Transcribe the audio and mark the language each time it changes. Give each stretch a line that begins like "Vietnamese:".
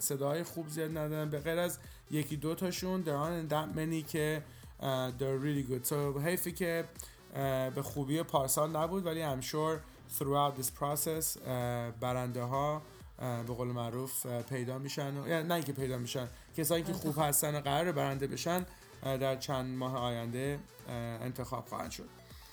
Persian: صداهای خوب زیاد ندارن به غیر از یکی دو تاشون.
English: There aren't that many که they're really good.
Persian: So حیفه که به خوبی پارسال نبود، ولی
English: I'm sure throughout this process
Persian: برنده ها به قول معروف پیدا میشن، نه اینکه پیدا میشن، کسایی که خوب هستن و قراره برنده بشن در چند ماه آینده انتخاب خواهند شد.